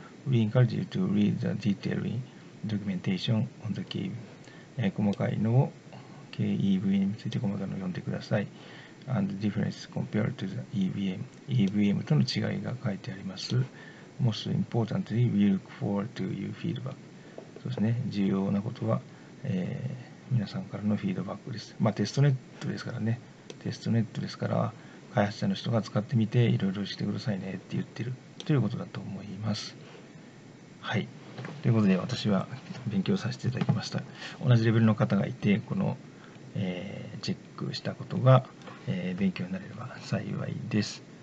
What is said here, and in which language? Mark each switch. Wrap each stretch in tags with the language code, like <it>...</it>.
<en>We encourage you to read the detailing documentation on the KEV、</en> <ja>細かいのを KEV について細かいのを読んでください。</ja> <en>And difference compared to the EVM.</en> <ja>EVM との違いが書いてあります。</ja> <en>Most importantly, we look forward to your feedback.</en> <ja>そうですね。重要なことは、皆さんからのフィードバックです。まあ、テストネットですからね。テストネットですから、開発者の人が使ってみて、いろいろしてくださいねって言ってるということだと思います。はい。ということで、私は勉強させていただきました。同じレベルの方がいて、この、チェックしたことが、勉強になれれば幸いです。</ja>